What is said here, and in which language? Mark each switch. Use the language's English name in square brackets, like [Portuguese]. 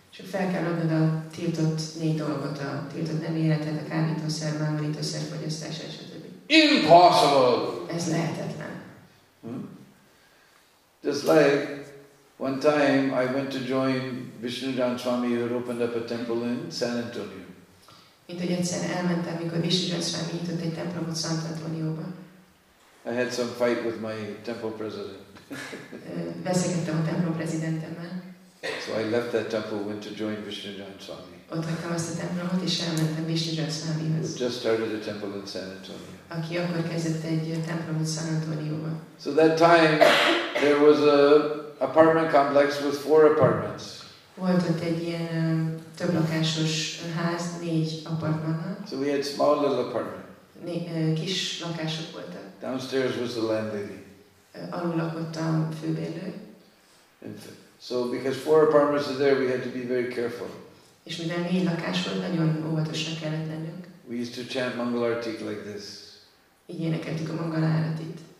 [Hungarian] Csak fel kell adnod a tiltott négy dolgot, a tiltott nem életet, a kábítószer, bámulítószer, fogyasztás, stb. [English] Impossible! [Hungarian] Ez lehetetlen. [English] Just like one time I went to join Vishnu Dhan Swami who had opened up a temple in San Antonio. [Hungarian] Mint hogy egyszer elmentem, mikor Vishnu Dhan Swami nyitott egy templomot San Antonióban. [English] I had some fight with my temple president. [Hungarian] Veszekedtem a templom prezidentemmel. [English] So I left that temple, went to join Vishnu Dhan Swami. [Hungarian] Ott hagytam azt a templomot és elmentem Vishnu Dhan Swamihoz. [English] Just started a temple in San Antonio. [Hungarian] Aki akkor kezdett egy templomot San Antonióban. [English] So that time there was a apartment complex with four apartments. [Hungarian] Volt ott egy ilyen több lakásos ház, négy apartmannal. [English] So we had small little apartment. [Hungarian] Kis lakások voltak. [English] Downstairs was the landlady. [Hungarian] Alul lakott a főbérlő. [English] So because four apartments are there, we had to be very careful. [Hungarian] És mivel négy lakás volt, nagyon óvatosan kellett lennünk. [English] We used to chant Mangalartik like this. [Hungarian] Így énekeltük a Mangaláratit.